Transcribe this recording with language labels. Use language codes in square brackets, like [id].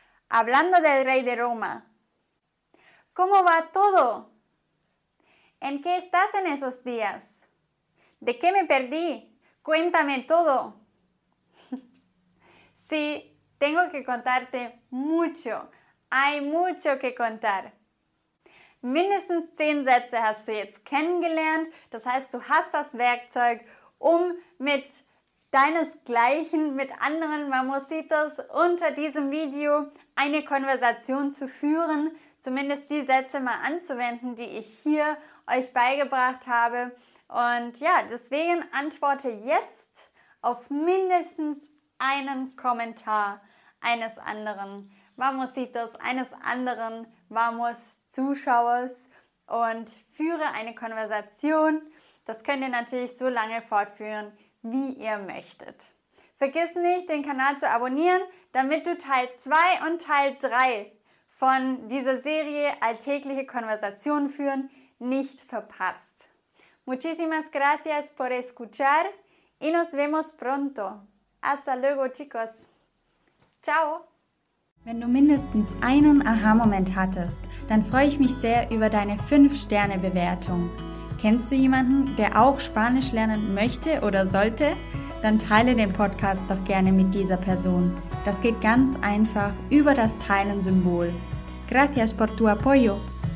[es] Hablando del rey de Roma. ¿Cómo va todo? ¿En qué estás en esos días? ¿De qué me perdí? Cuéntame todo. Sí, tengo que contarte mucho. Hay mucho que contar. [de] Mindestens 10 Sätze hast du jetzt kennengelernt. Das heißt, du hast das Werkzeug, um mit deinesgleichen, mit anderen Mamositos unter diesem Video eine Konversation zu führen. Zumindest die Sätze mal anzuwenden, die ich hier euch beigebracht habe. Und ja, deswegen antworte jetzt auf mindestens einen Kommentar eines anderen Mamositos, eines anderen Mamos-Zuschauers und führe eine Konversation. Das könnt ihr natürlich so lange fortführen, wie ihr möchtet. Vergiss nicht, den Kanal zu abonnieren, damit du Teil 2 und Teil 3 von dieser Serie Alltägliche Konversationen führen nicht verpasst. [es] Muchísimas gracias por escuchar y nos vemos pronto. Hasta luego, chicos. Ciao. [de] Wenn du mindestens einen Aha-Moment hattest, dann freue ich mich sehr über deine 5-Sterne-Bewertung. Kennst du jemanden, der auch Spanisch lernen möchte oder sollte? Dann teile den Podcast doch gerne mit dieser Person. Das geht ganz einfach über das Teilen-Symbol. [es] Gracias por tu apoyo.